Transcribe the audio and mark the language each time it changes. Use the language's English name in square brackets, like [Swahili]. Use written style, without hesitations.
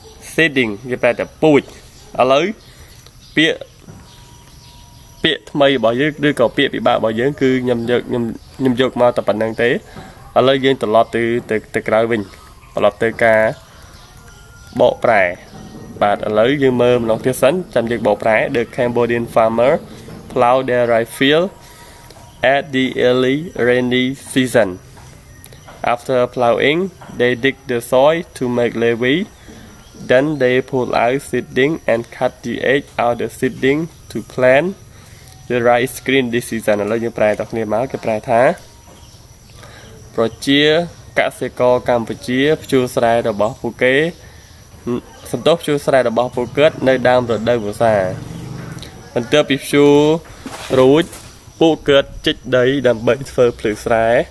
[Khmer] seeding វាប្រែថាពូជឥឡូវពាក្យថ្មីរបស់យើងឬក៏ពាក្យពិបាករបស់យើងគឺខ្ញុំយកមកតែប៉ុណ្ណឹងទេឥឡូវយើងត្រឡប់ទៅក្រៅវិញត្រឡប់ទៅការបកប្រែបាទឥឡូវយើងមើលម្ដងទៀតសិនចាំយើងបកប្រែ [English] The Cambodian farmer plow their rye fieldAt the early rainy season. After plowing, they dig the soil to make levee. Then they pull out seeding and cut the edge out of the seeding to plant the rice green this season. [Khmer] ឥឡូវយើងប្រែតោះគ្នាមកគេប្រែថាប្រជាកសិករកម្ពុជាភ្ជួរស្រែរបស់ពួកគេសន្តោសភ្ជួរស្រែរបស់ពួកគាត់នៅដើមរដូវវស្សាបន្ទាប់ពីភ្ជួររួចពួកគាត់ជីកដីដើម្បីធ្វើភ្លឺស្រែ